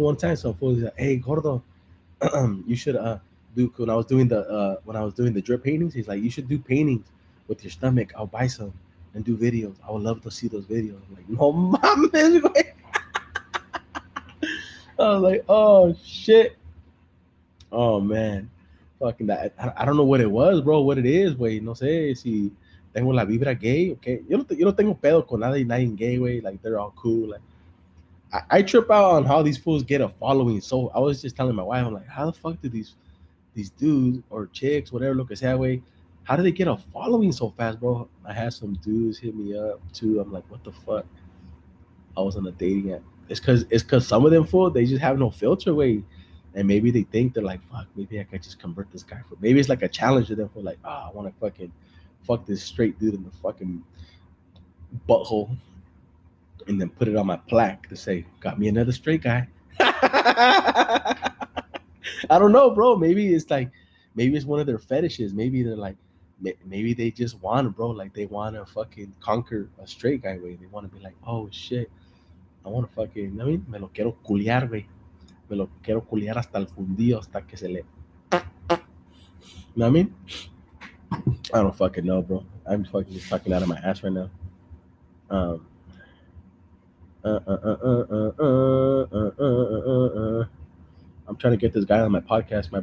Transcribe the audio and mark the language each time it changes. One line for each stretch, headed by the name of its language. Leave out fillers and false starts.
English: One time, some fool is like, hey, gordo, you should do, when I was doing the drip paintings, he's like, you should do paintings with your stomach. I'll buy some and do videos. I would love to see those videos. I'm like,
Spanish: no mames, güey.
English: I was like, oh, shit. Oh, man. Fucking that. I don't know what it was, bro, what it is, güey.
Spanish: No sé si... Tengo la vibra gay, okay? Yo no tengo pedo con nada y nadie gay, güey.
English: Like, they're all cool. Like, I trip out on how these fools get a following. So I was just telling my wife, I'm like, how the fuck do these dudes or chicks, whatever,
Spanish: lo que sea, güey,
English: how do they get a following so fast, bro? I had some dudes hit me up, too. I'm like, what the fuck? I was on a dating app. It's because some of them fools, they just have no filter, way. And maybe they think, they're like, fuck, maybe I could just convert this guy. Maybe it's like a challenge to them for like, oh, I want to fucking... fuck this straight dude in the fucking butthole and then put it on my plaque to say, got me another straight guy. I don't know, bro. Maybe it's one of their fetishes. Maybe they're like, maybe they just want, bro, like they want to fucking conquer a straight guy, way. They want to be like, oh shit, I want to fucking, I mean,
Spanish: me lo quiero culiar, güey. Me lo quiero culiar hasta el fundido, hasta que se le.
English: I mean? I don't fucking know, bro. I'm fucking just talking out of my ass right now. I'm trying to get this guy on my podcast.